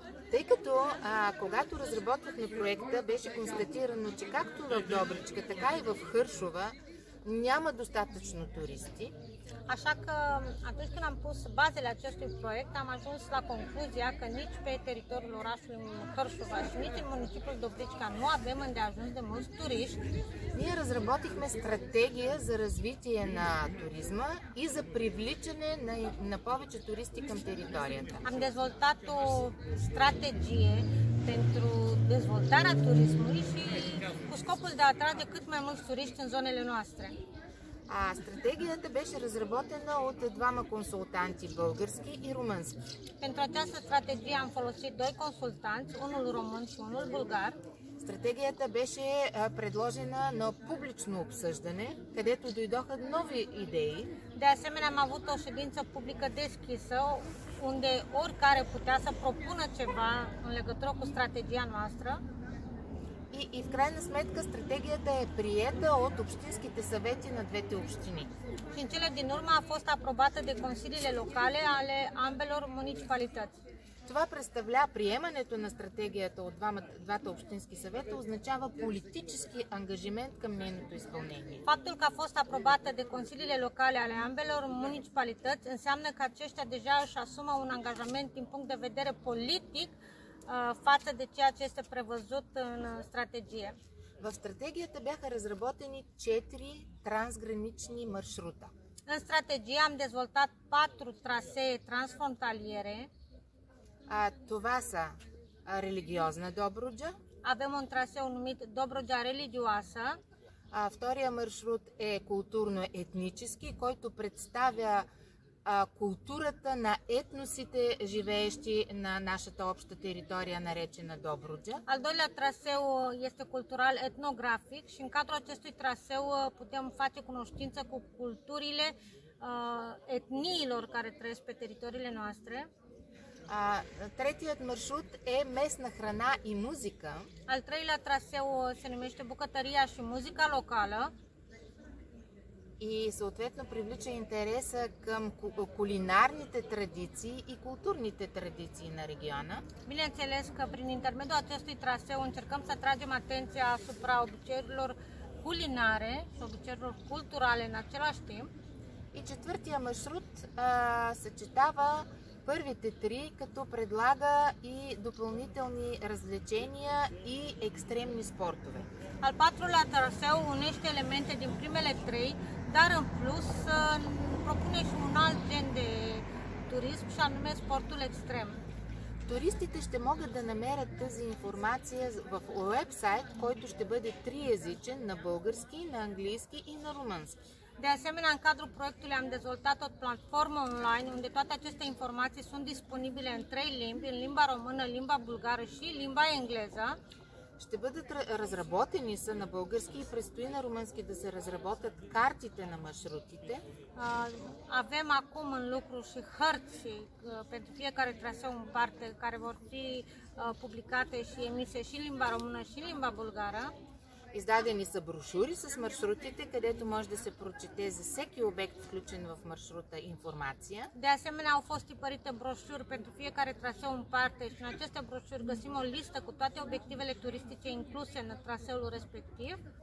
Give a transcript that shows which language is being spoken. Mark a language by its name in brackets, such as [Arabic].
[Bulgarian] Тъй като, когато разработвахме проекта, беше констатирано, че както в Добричка, така и в Хършова, няма достатъчно туристи. [Romanian] Așa că atunci când am pus bazele acestui proiect, am ajuns la concluzia că nici pe teritoriul orașului Хършова și nici în municipiul Добричка nu avem îndeajuns de mulți turiști. [Bulgarian] Ние разработихме стратегия за развитие на туризма и за привличане на повече туристи към територията. [Romanian] Am dezvoltat o strategie pentru dezvoltarea turismului și cu scopul de a atrage cât mai mulți turiști în zonele noastre. [Bulgarian] А стратегията беше разработена от двама консултанти, български и румънски. [Romanian] Pentru această strategie am folosit doi consultanți, unul român și unul bulgar. [Bulgarian] Стратегията беше предложена на публично обсъждане, където дойдоха нови идеи. [Romanian] De asemenea, am avut o ședință publică deschisă, unde oricare putea să propună ceva în legătură cu strategia noastră. [Bulgarian] И в крайна сметка стратегията е приета от общинските съвети на двете общини. [Romanian] Și în cele din urmă a fost aprobată de consiliile locale ale ambelor municipalități. [Bulgarian] Това представлява приемането на стратегията от двата общински съвета означава политически ангажимент към нейното изпълнение. [Romanian] Faptul că a fost aprobată de consiliile locale ale ambelor municipalități înseamnă că aceștia deja își asumă un angajament din punct de vedere politic față de ceea ce este prevăzut în strategie. [Bulgarian] В стратегията бяха разработени 4 трансгранични маршрута. [Romanian] În strategie am dezvoltat 4 trasee transfrontaliere. [Bulgarian] Това са религиозна Добруджа. [Romanian] Avem un traseu numit Dobrogea religioasă. [Bulgarian] Втория маршрут е културно-етнически, който представя културата на етносите, живеещи на нашата обща територия, наречена Добруджа. [Romanian] Al doilea traseu este cultural etnografic și în cadrul acestui traseu putem face cunoștință cu culturile etniilor care trăiesc pe teritoriile noastre. [Bulgarian] Третият маршрут е местна храна и музика. [Romanian] Al treilea traseu se numește bucătăria și muzica locală. [Bulgarian] И съответно привлича интереса към кулинарните традиции и културните традиции на региона. [Romanian] Bineînțeles că prin intermediul acestui traseu încercăm să tragem atenția asupra obiceiurilor culinare și obiceiurilor culturale în același timp. [Bulgarian] И четвъртия маршрут съчетава първите три, като предлага и допълнителни развлечения и екстремни спортове. [Romanian] Al patrulea traseu unește elemente din primele trei, dar în plus propune și un alt gen de turism și anume sportul extrem. [Bulgarian] Туристите ще могат да намерят тази информация в уебсайт, който ще бъде триезичен на български, на английски и на румънски. [Romanian] De asemenea, în cadrul proiectului am dezvoltat o platformă online unde toate aceste informații sunt disponibile în trei limbi, în limba română, limba bulgară și limba engleză. [Bulgarian] Ще бъдат разработени са на български и предстои на румънски да се разработят картите на маршрутите. [Romanian] Avem acum în lucru și hărți pentru fiecare traseu în parte care vor fi publicate și emise și în limba română și în limba bulgară. [Bulgarian] Издадени са брошури с маршрутите, където може да се прочете за всеки обект, включен в маршрута, информация. [Romanian] De asemenea, au fost tipărite broșuri pentru fiecare traseu în parte și în aceste broșuri găsim o listă cu toate obiectivele turistice incluse în traseul respectiv.